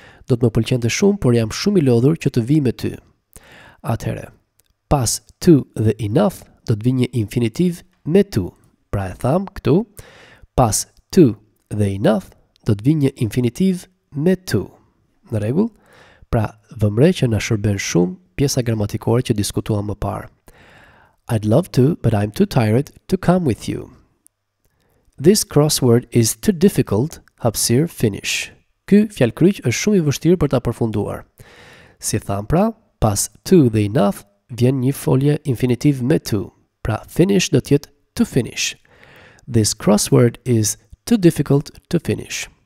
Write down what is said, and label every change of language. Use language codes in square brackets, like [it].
[sq] Do të më pëlqente shumë, por jam shumë I lodhur që të vi me ty. Atëherë, pas to dhe enough, do të vi një infinitiv me tu. Pra e tham këtu, pas to dhe enough, do të vi një infinitiv me tu. Në regull, pra vëmre që në shërben shumë pjesa gramatikore që diskutuam më parë. [en] I'd love to, but I'm too tired to come with you. This crossword is too difficult, hapsir, finish. [sq] Ky fjalkryq është shumë I vështirë për ta përfunduar. Si tham pra, pas to dhe enough, vjen një folje infinitiv me tu. Pra finish do tjetë [en] to finish. This crossword is too difficult to finish.